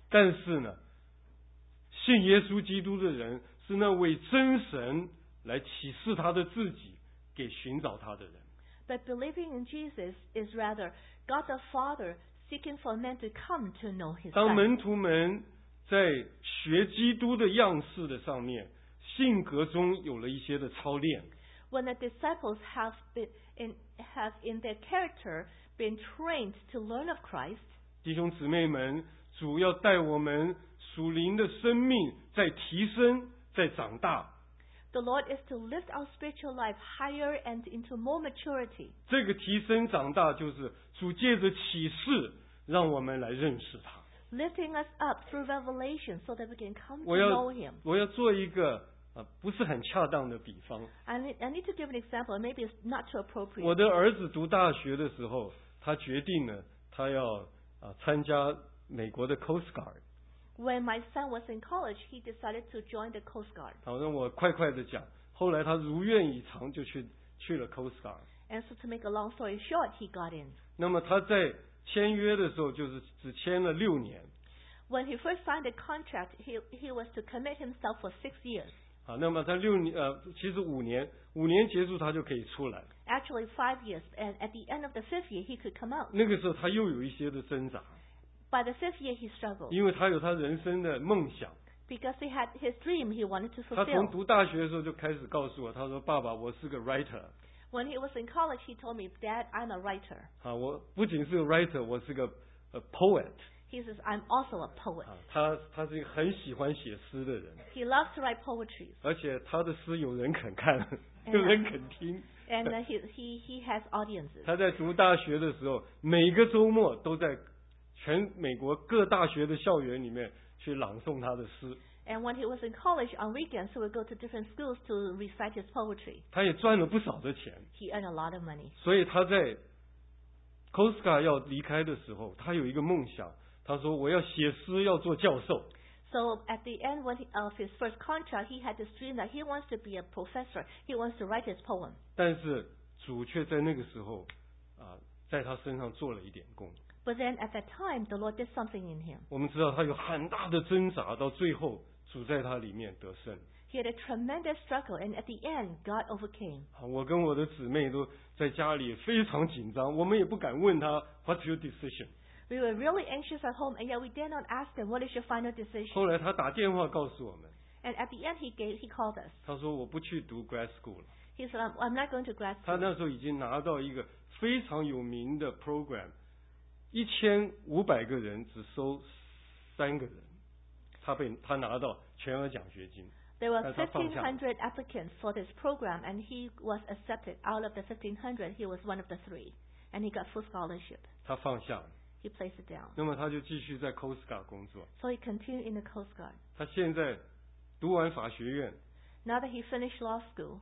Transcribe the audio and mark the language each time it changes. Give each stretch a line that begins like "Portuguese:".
Chinese: 但是呢，信耶稣基督的人是那位真神来启示他的自己给寻找他的人。
English: But believing in Jesus is rather God the Father seeking for men to come to know His Son.
Chinese: 当门徒们在学基督的样式的上面，性格中有了一些的操练。
English: When the disciples have in their character been trained to learn of Christ
Chinese: 弟兄姊妹们主要带我们属灵的生命在提升在长大
English: The Lord is to lift our spiritual life higher and into more maturity
Chinese: 这个提升长大就是主借着启示让我们来认识他
English: Lifting us up through revelation so that we can come to know Him
Chinese: 我要做一个不是很恰当的比方
English: I need to give an example maybe it's not too appropriate
Chinese: 我的儿子读大学的时候他决定了他要参加美国的 Coast Guard
English: When my son was in college he decided to join the Coast Guard
Chinese: 好让我快快的讲后来他如愿以偿就去了 Coast Guard
English: And so to make a long story short he got in
Chinese: 那么他在签约的时候就是只签了六年
English: When he first signed the contract he was to commit himself for 6 years
Chinese: 好那么他六年其实五年结束他就可以出来
English: actually 5 years and at the end of the 5th year he could come out
Chinese: 那个时候他又有一些的挣扎
English: by the 5th year he struggled
Chinese: 因为他有他人生的梦想
English: because he had his dream he wanted to fulfill
Chinese: 他从读大学的时候就开始告诉我他说爸爸我是个 writer
English: when he was in college he told me dad I'm a writer
Chinese: 好我不仅是个 writer 我是个 poet
English: He says, I'm also a poet.
Chinese: 他是一个很喜欢写诗的人。
English: He loves to write poetry.
Chinese: 而且他的诗有人肯看，有人肯听。
English: And he has audiences.
Chinese: 他在读大学的时候，每个周末都在全美国各大学的校园里面去朗诵他的诗。
English: And when he was in college on weekends, he would go to different schools to recite his poetry.
Chinese: 他也赚了不少的钱。
English: He earned a lot of money.
Chinese: 所以他在 Coast Guard 要离开的时候，他有一个梦想。他说我要写诗要做教授
English: So at the end of his first contract he had this dream that he wants to be a professor he wants to write his poem
Chinese: 但是主却在那个时候在他身上做了一点工
English: But then at that time the Lord did something in him
Chinese: 我们知道他有很大的挣扎到最后主在他里面得胜
English: He had a tremendous struggle and at the end God overcame
Chinese: 我跟我的姊妹都在家里非常紧张我们也不敢问他
English: What's your decision? We were really anxious at home, and yet we dare not ask him, what is your final decision?
Chinese: 后来他打电话告诉我们。
English: And at the end, he called us.
Chinese: 他说我不去读 grad school 了。
English: He said, I'm not going to grad school.
Chinese: 他那时候已经拿到一个非常有名的 program, 1,500个人只收3个人。他拿到全额奖学金。
English: There were 1,500 applicants for this program, and he was accepted. Out of the 1,500, he was one of the 3. And he got full scholarship.
Chinese: 他放下了。
English: He placed it down.
Chinese: 那么他就继续在 Coast Guard 工作。
English: So he continued in the Coast Guard.
Chinese: 他现在读完法学院。
English: Now that he finished law school.